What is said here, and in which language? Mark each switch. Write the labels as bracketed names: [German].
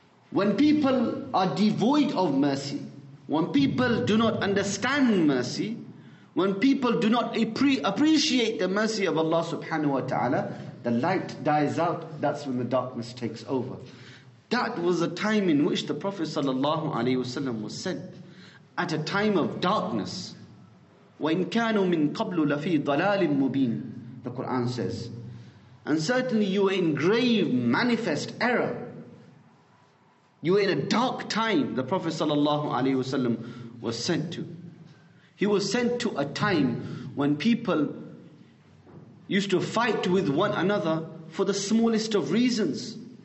[English] When people are devoid of mercy, when people do not understand mercy, when people do not appreciate the mercy of Allah subhanahu wa ta'ala, the light dies out, that's when the darkness takes over. That was a time in which the Prophet sallallahu alaihi wasallam was sent, at a time of darkness. [Arabic] وَإِنْ كَانُوا مِنْ قَبْلُ لَفِي ضَلَالٍ مُبِينٍ, [English] the Quran says. And certainly you were in grave, manifest error. You were in a dark time, the Prophet sallallahu alaihi wasallam was sent to. He was sent to a time when people used to fight with one another for the smallest of reasons.